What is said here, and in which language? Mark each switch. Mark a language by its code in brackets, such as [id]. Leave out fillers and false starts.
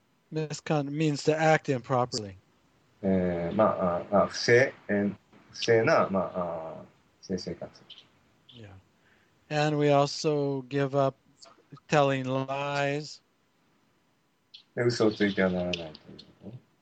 [en] Misconduct means to act improperly. [ja] まあ、不正な、まあ、性生活。 [en] And we also give up telling lies. [ja] で、嘘をついてはならないというこ